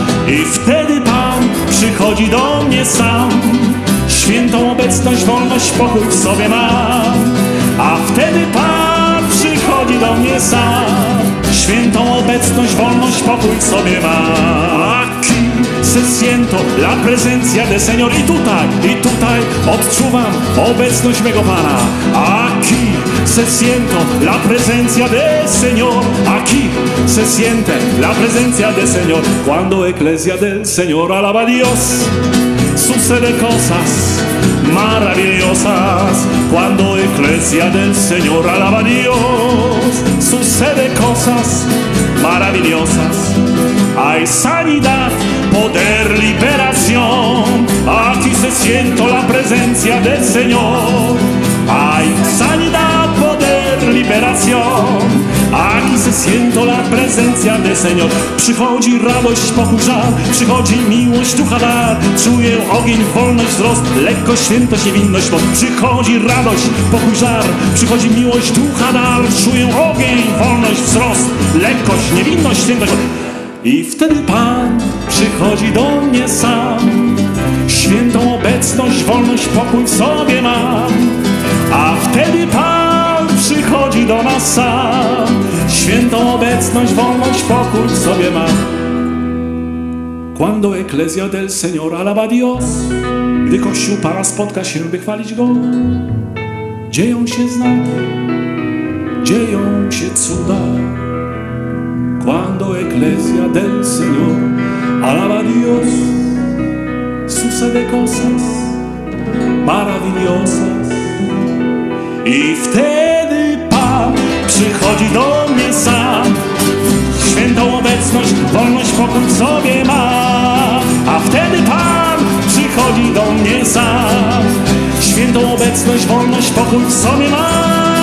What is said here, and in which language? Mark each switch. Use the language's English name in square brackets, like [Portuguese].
[Polish] I wtedy Pan przychodzi do mnie sam, świętą obecność, wolność, pokój w sobie mam. A wtedy Pan przychodzi do mnie sam, świętą obecność, wolność, pokój w sobie mam. [Spanish] Aquí se siento la presencia del Señor. [Polish] I tutaj odczuwam obecność mego Pana. [Spanish] Aquí se siento la presencia del Señor. Aquí se siente la presencia del Señor. Cuando Eclesia del Señor alaba a Dios, sucede cosas maravillosas. Cuando Eclesia del Señor alaba a Dios, sucede cosas maravillosas. Hay sanidad, poder, liberación. Aquí se siento la presencia del Señor. Hay sanidad, poder, liberación. Aquí se siento la presencia del Señor. [Polish] Przychodzi radość, pokój, żal. Przychodzi miłość, ducha dar. Czuję ogień, wolność, wzrost, lekkość, świętość, niewinność, moc. Przychodzi radość, pokój, żar. Przychodzi miłość, ducha dar. Czuję ogień, wolność, wzrost, lekkość, niewinność, świętość, moc. I wtedy Pan przychodzi do mnie sam, świętą obecność, wolność, pokój w sobie mam. A wtedy Pan przychodzi do nas sam, świętą obecność, wolność, pokój w sobie mam. [Spanish] Cuando Eclesia del Señor alaba a Dios, [Polish] gdy Kościół Pana spotka się, by chwalić Go, dzieją się znaki, dzieją się cuda. [Spanish] Cuando Eclesia del Señor alaba a Dios, sucede cosas maravillosas. [Polish] I wtedy Pan przychodzi do mnie sam, świętą obecność, wolność, pokój w sobie ma. A wtedy Pan przychodzi do mnie sam, świętą obecność, wolność, pokój w sobie ma.